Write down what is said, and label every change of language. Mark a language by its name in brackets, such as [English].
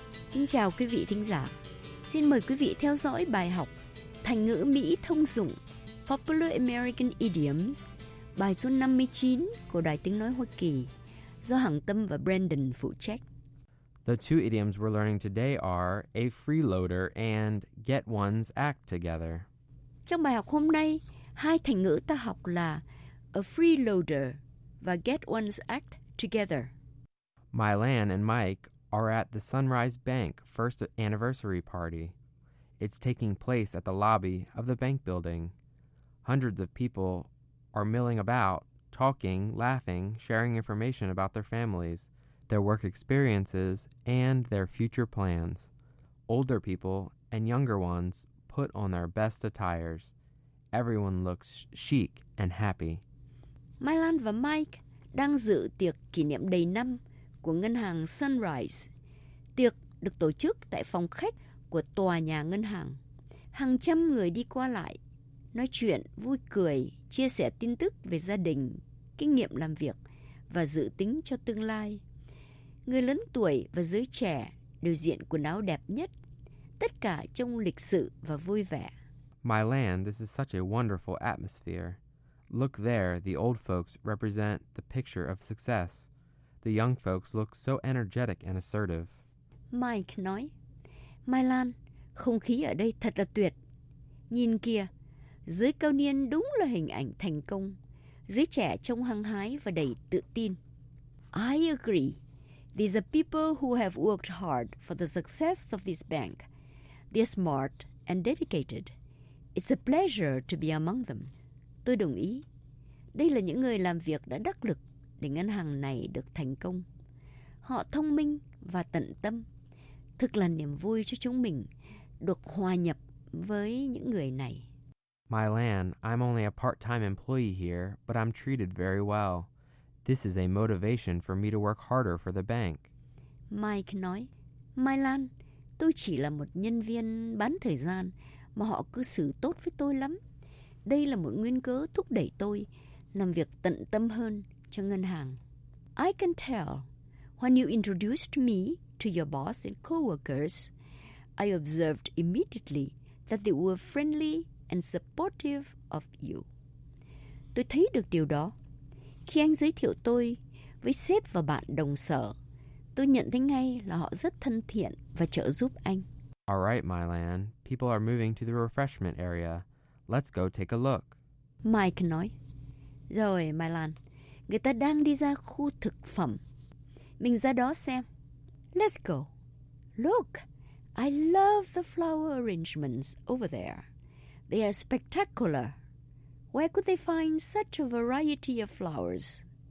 [Vietnamese] Xin chào quý vị thính giả. Xin mời quý vị theo dõi bài học thành ngữ Mỹ thông dụng Popular American Idioms, bài số 59 của Đài Tiếng Nói Hoa Kỳ, do Hằng Tâm và Brandon phụ trách. [English] The two idioms we're learning today are a freeloader and get one's act together. [Vietnamese] Trong bài học hôm nay, hai thành ngữ ta học là a freeloader và [English] get one's act together. Mylan and Mike are at the Sunrise Bank first anniversary party. It's taking place at the lobby of the bank building. Hundreds of people are milling about, talking, laughing, sharing information about their families, their work experiences, and their future plans. Older people and younger ones put on their best attires. Everyone looks chic and happy. [Vietnamese] Mylan và Mike đang dự tiệc kỷ niệm đầy năm của ngân hàng Sunrise. Tiệc được tổ chức tại phòng khách của tòa nhà ngân hàng. Hàng trăm người đi qua lại, nói chuyện, vui cười, chia sẻ tin tức về gia đình, kinh nghiệm làm việc và dự tính cho tương lai. Người lớn tuổi và giới trẻ đều diện quần áo đẹp nhất. Tất cả trông lịch sự và vui vẻ. [English] My land, this is such a wonderful atmosphere. Look there, the old folks represent the picture of success. The young folks look so energetic and assertive. [Vietnamese] Mike nói, My land, không khí ở đây thật là tuyệt. Nhìn kìa, giới cao niên đúng là hình ảnh thành công. Giới trẻ trông hăng hái và đầy tự tin. [English] I agree. These are people who have worked hard for the success of this bank. They're smart and dedicated. It's a pleasure to be among them. [Vietnamese] Tôi đồng ý. Đây là những người làm việc đã đắc lực để ngân hàng này được thành công. Họ thông minh và tận tâm. Thực là niềm vui cho chúng mình được hòa nhập với những người này. [English] My land, I'm only a part-time employee here, but I'm treated very well. This is a motivation for me to work harder for the bank. [Vietnamese] Mike nói, My land, tôi chỉ là một nhân viên bán thời gian mà họ cư xử tốt với tôi lắm. Đây là một nguyên cớ thúc đẩy tôi làm việc tận tâm hơn cho ngân hàng. [English] I can tell when you introduced me to your boss and co-workers, I observed immediately that they were friendly and supportive of you. [Vietnamese] Tôi thấy được điều đó. Khi anh giới thiệu tôi với sếp và bạn đồng sở, tôi nhận thấy ngay là họ rất thân thiện và trợ giúp anh. [English] All right, Mylan. People are moving to the refreshment area. Let's go take a look. [Vietnamese] Mike nói, Rồi, Mylan, người ta đang đi ra khu thực phẩm. Mình ra đó xem. [English] Let's go. Look, I love the flower arrangements over there. They are spectacular. Where could they find such a variety of flowers?